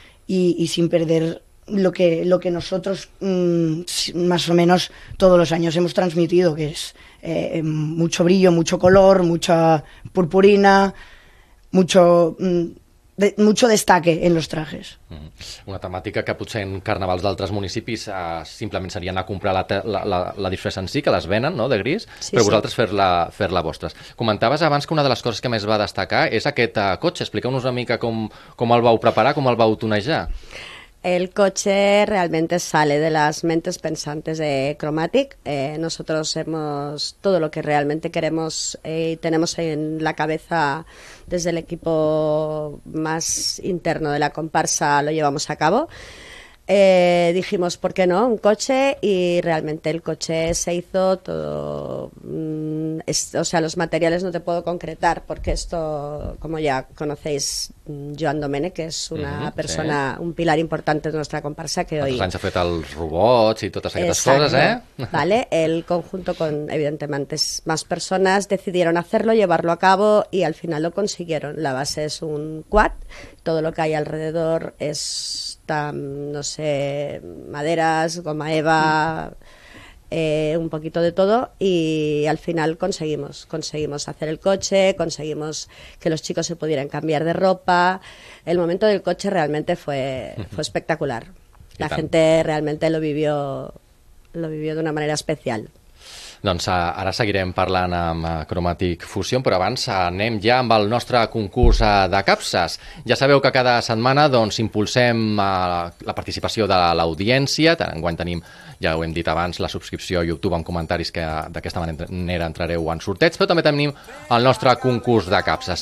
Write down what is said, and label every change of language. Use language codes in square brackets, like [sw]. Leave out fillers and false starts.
[es] y sin perder lo que nosotros más o menos todos los años hemos transmitido, que es mucho brillo, mucho color, mucha purpurina, mucho destaque en los trajes. [ca] Una temàtica que potser en carnavals d'altres municipis simplement seria anar a comprar la disfressa en si, que les venen, no?, de gris, sí, però sí. Vosaltres fer-la vostres. Comentaves abans que una de les coses que més va destacar és aquest cotxe. Expliqueu-nos una mica com el vau preparar, com el vau tunejar. [es] El coche realmente sale de las mentes pensantes de Cromatic. Nosotros hemos todo lo que realmente queremos y tenemos en la cabeza desde el equipo más interno de la comparsa lo llevamos a cabo. Dijimos, ¿por qué no? Un coche, y realmente el coche se hizo todo. Los materiales no te puedo concretar, porque esto, como ya conocéis, Joan Domènech, que es una persona, sí, un pilar importante de nuestra comparsa, que hoy... [ca] Se han fet els robots [es] y todas [ca] aquestes coses, ¿eh? [es] Vale, el conjunto con, evidentemente, más personas decidieron hacerlo, llevarlo a cabo, y al final lo consiguieron. La base es un quad, todo lo que hay alrededor es... no sé, maderas, goma Eva, un poquito de todo, y al final conseguimos hacer el coche, conseguimos que los chicos se pudieran cambiar de ropa. El momento del coche realmente fue espectacular. La gente realmente lo vivió de una manera especial. [ca] Doncs ara seguirem parlant amb Cromatic Fusion, però abans anem ja amb el nostre concurs de capses. Ja sabeu que cada setmana doncs impulsem la participació de l'audiència. Enguany tenim, ja ho hem dit abans, la subscripció a YouTube amb comentaris, que d'aquesta manera entrareu en sorteig, però també tenim el nostre concurs de capses.